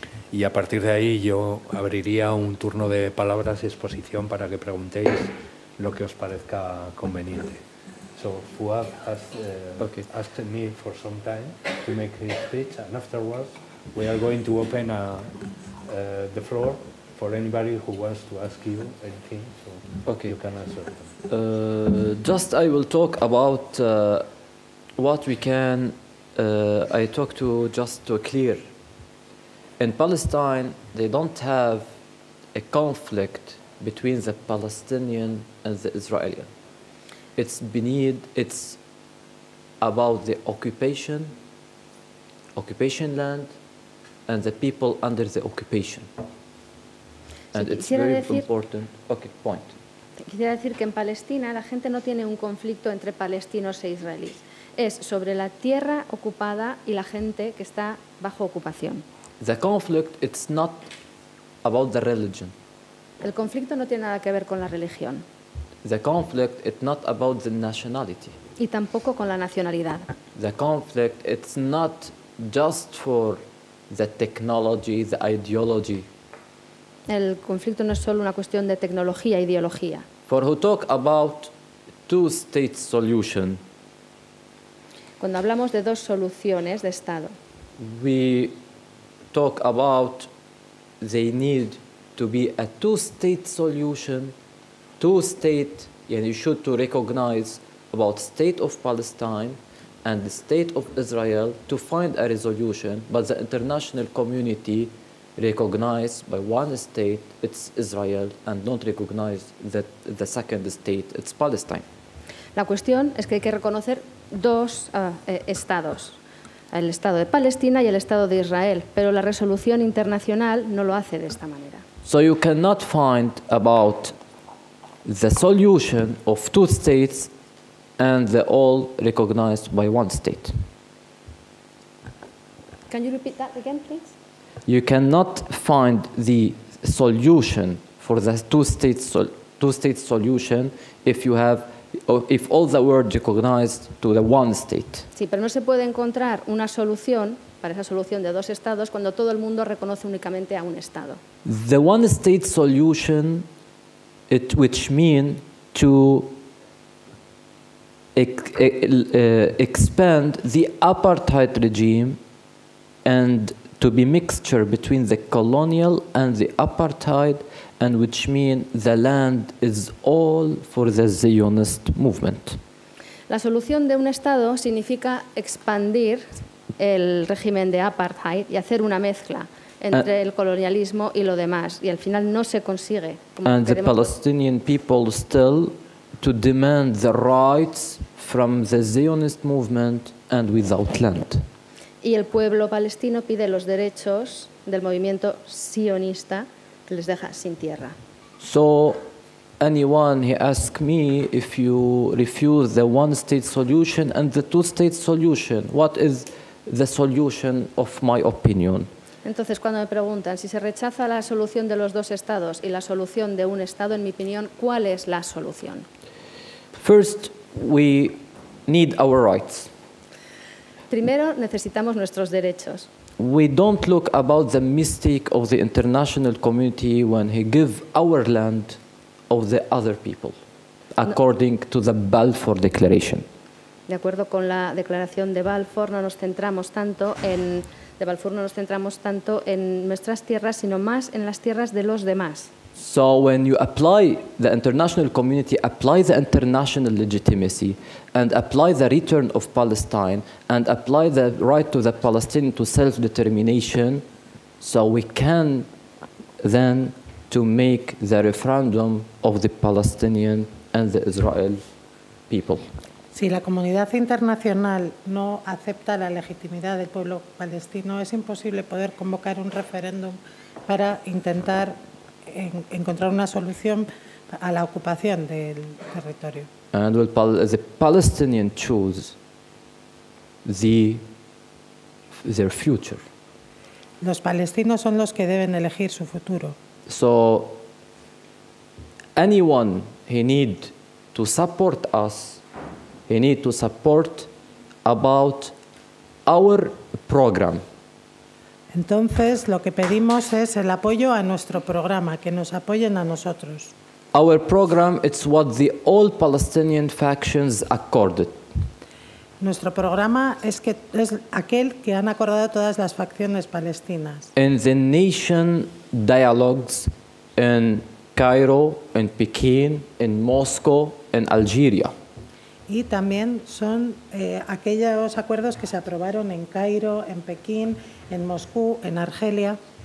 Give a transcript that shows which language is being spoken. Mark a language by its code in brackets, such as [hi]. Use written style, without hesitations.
[es] Y a partir de ahí yo abriría un turno de palabras y exposición para que preguntéis lo que os parezca conveniente. [en] So Fuad asked me for some time to make his speech, and afterwards we are going to open the floor for anybody who wants to ask you anything, so okay. You can answer. Just I will talk about what we can. I talk to just to clear. In Palestine, they don't have a conflict between the Palestinian and the Israeli. It's about the occupation land and the people under the occupation. And it's very important. Okay, point. [es] Quisiera decir que en Palestina la gente no tiene un conflicto entre palestinos e israelíes. Es sobre la tierra ocupada y la gente que está bajo ocupación. [en] The conflict, it's not about the religion. [es] El conflicto no tiene nada que ver con la religión. [en] The conflict, it's not about the nationality. [es] Y tampoco con la nacionalidad. [en] The conflict, it's not just for the technology, the ideology. [es] El conflicto no es solo una cuestión de tecnología, ideología. [en] For who talk about two-state solution. [es] Cuando hablamos de dos soluciones de Estado. [en] We talk about they need to be a two-state solution, two-state, and you should to recognize about state of Palestine and the state of Israel to find a resolution, but the international community recognize by one state, it's Israel, and don't recognize that the second state, it's Palestine. [es] La cuestión es que hay que reconocer dos estados, el Estado de Palestina y el Estado de Israel, pero la resolución internacional no lo hace de esta manera. [en] So you cannot find about the solution of two states and they're all recognized by one state. Can you repeat that again, please? You cannot find the solution for the two state solution if you have if all the world recognized to the one state. [es] Sí, pero no se puede encontrar una solución para esa solución de dos estados cuando todo el mundo reconoce únicamente a un estado. [en] The one state solution, it which mean to expand the apartheid regime and to be mixture between the colonial and the apartheid, and which mean the land is all for the Zionist movement. [es] La solución de un estado significa expandir el régimen de apartheid y hacer una mezcla entre el colonialismo y lo demás, y al final no se consigue. [en] And the Palestinian people still to demand the rights from the Zionist movement and without land. [es] Y el pueblo palestino pide los derechos del movimiento sionista que les deja sin tierra. [en] So anyone he asks me if you refuse the one state solution and the two state solution, what is the solution of my opinion? [es] Entonces, cuando me preguntan si se rechaza la solución de los dos estados y la solución de un estado, en mi opinión, ¿cuál es la solución? [en] First, we need our rights. [es] Primero, necesitamos nuestros derechos. [en] We don't look about the mistake of the international community when he give our land of the other people, according to the Balfour Declaration. [es] De acuerdo con la declaración de Balfour, no nos centramos tanto en de Balfour no nos centramos tanto en nuestras tierras, sino más en las tierras de los demás. [en] So when you apply the international community, apply the international legitimacy and apply the return of Palestine and apply the right to the Palestinian to self-determination, so we can then to make the referendum of the Palestinian and the Israel people. [es] Si la comunidad internacional no acepta la legitimidad del pueblo palestino, es imposible poder convocar un referéndum para intentar encontrar una solución a la ocupación del territorio. [en] And will the Palestinian choose their future? [es] Los palestinos son los que deben elegir su futuro. [en] So anyone he need to support us, he need to support about our program. [es] Entonces, lo que pedimos es el apoyo a nuestro programa, que nos apoyen a nosotros. [en] Our program is what the all Palestinian factions accorded. [es] Nuestro programa es que es aquel que han acordado todas las facciones palestinas. [en] In the nation dialogues in Cairo, in Pekín, in Moscow, in Algeria. [es] Y también son aquellos acuerdos que se aprobaron en Cairo, en Pekín, en Moscú, en Argelia.